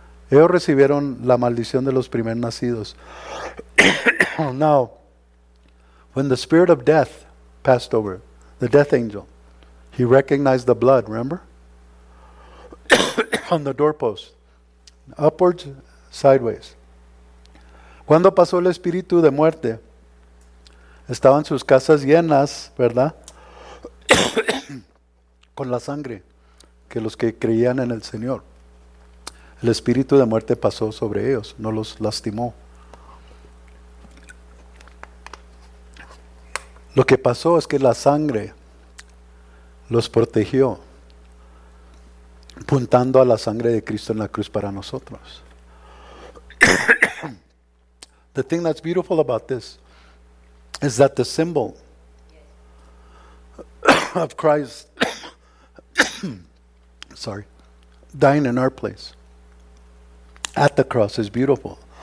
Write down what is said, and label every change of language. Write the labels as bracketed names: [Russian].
[Spanish] Ellos recibieron la maldición de los primer nacidos. [English] Now, when the spirit of death passed over, the death angel, he recognized the blood, remember? On the doorpost, upwards, sideways. [Spanish] Cuando pasó el espíritu de muerte, estaban sus casas llenas, ¿verdad? Con la sangre que los que creían en el Señor. El espíritu de muerte pasó sobre ellos, no los lastimó. Lo que pasó es que la sangre los protegió, apuntando a la sangre de Cristo en la cruz para nosotros. [English] The thing that's beautiful about this is that the symbol of Christ, sorry, dying in our place at the cross is beautiful.